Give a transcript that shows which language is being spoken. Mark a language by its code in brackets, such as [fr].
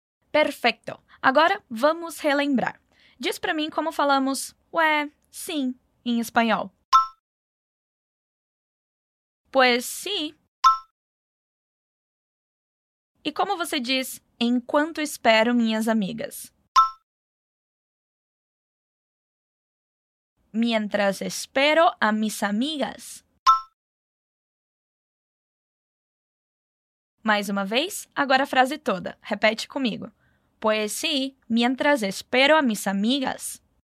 [pt] Perfeito. Agora, vamos relembrar. Diz para mim como falamos... Ué, sim, em espanhol. [es] Pues sí. [pt] E como você diz, enquanto espero minhas amigas? [es] Mientras espero a mis amigas. [pt] Mais uma vez, agora a frase toda. Repete comigo. [es] Pues sí, mientras espero a mis amigas.